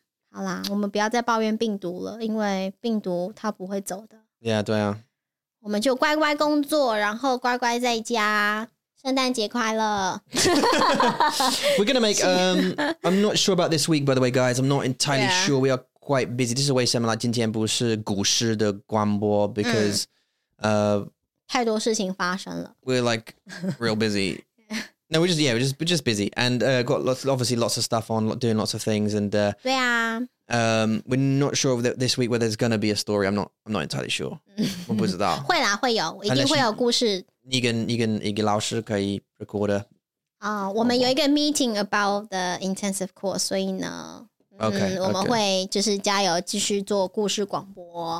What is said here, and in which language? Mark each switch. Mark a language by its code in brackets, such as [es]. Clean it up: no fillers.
[zh] 好啦，我们不要再抱怨病毒了，因为病毒它不会走的。 Yeah， 对啊。我们就乖乖工作，然后乖乖在家。圣诞节快乐。 [en] We're gonna make. I'm not sure about this week, by the way, guys. I'm not entirely sure. We are quite busy. This is [zh] 为什么啦？今天不是股市的广播 [en] ，because [zh] 太多事情发生了。 [en] We're like real busy. No, we're just busy, and got lots of stuff on, doing lots of things, and [zh] 对啊。 [en] We're not sure this week whether there's going to be a story. I'm not entirely sure. [zh] 我不知道。会啦，会有，一定会有故事。你跟老师可以 record 啊。我们有一个 [en] meeting about the intensive course, [zh] 所以呢。 [en] Okay, [zh] 我们会就是加油继续做故事广播。